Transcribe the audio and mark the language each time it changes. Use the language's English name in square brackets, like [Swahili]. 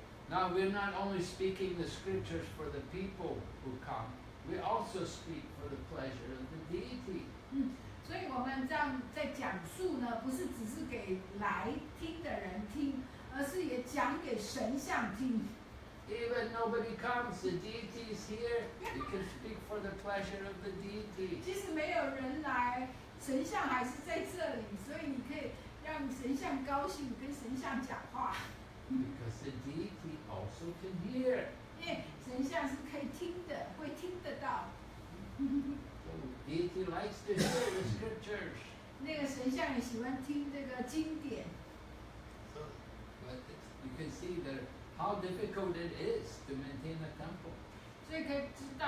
[English] Now we're not only speaking the scriptures for the people who come, we also speak for the pleasure of the deity. [Chinese] 所以我们这样在讲述呢，不是只是给来听的人听，而是也讲给神像听。 [English] Even nobody comes, the deity is here. You can speak for the pleasure of the deity. [Chinese] 即使没有人来，神像还是在这里，所以你可以让神像高兴，跟神像讲话。 [English] Because the deity also can hear. [Chinese] 因为神像是可以听的，会听得到。 [English] Deity likes to hear the scriptures. [Chinese] 那个神像也喜欢听这个经典。 [English] So, but you can see that how difficult it is to maintain a temple.